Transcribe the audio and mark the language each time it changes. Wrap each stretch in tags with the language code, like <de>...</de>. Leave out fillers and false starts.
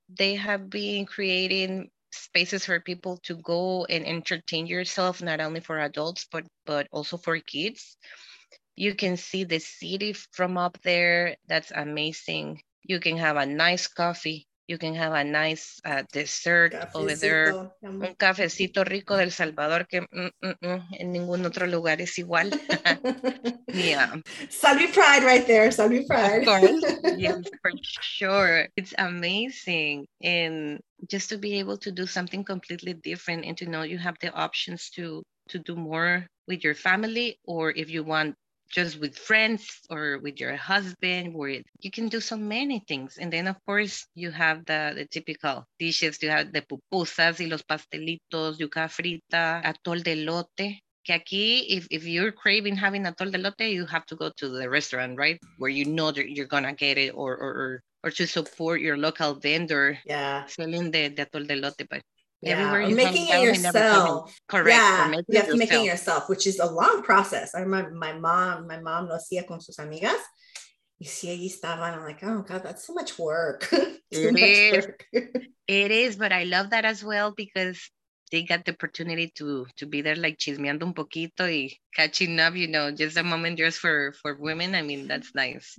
<en>They have been creating spaces for people to go and entertain yourself, not only for adults, but also for kids. You can see the city from up there. That's amazing. You can have a nice coffee. You can have a nice dessert cafecito over there.</en> <es>Un cafecito rico del Salvador que en ningún otro lugar es igual.</es> <en>Yeah. Salve pride right there. Salve pride. Of course. Yes, for sure. It's amazing. And just to be able to do something completely different and to know you have the options to do more with your family or if you want just with friends or with your husband, where you can do so many things. And then, of course, you have the typical dishes. You have the pupusas y los pastelitos, yuca frita, atol de elote.</en> <es>Que aquí,</es> <en>if you're craving having atol de elote, you have to go to the restaurant, right? Where you know that you're going to get it or to support your local vendor. Yeah. Selling the atol de elote, but... Yeah. Everywhere you making it yourself. Correct. Yeah, you have to make it yourself, which is a long process. I remember my mom</en> <es>lo hacía con sus amigas. Y si allí estaban,</es> <en>I'm like, oh God, that's so much work. It is, but I love that as well because they got the opportunity to be there like</en> <es>chismeando un poquito</es> <en>y catching up, you know, just a moment just for women. I mean, that's nice.</en>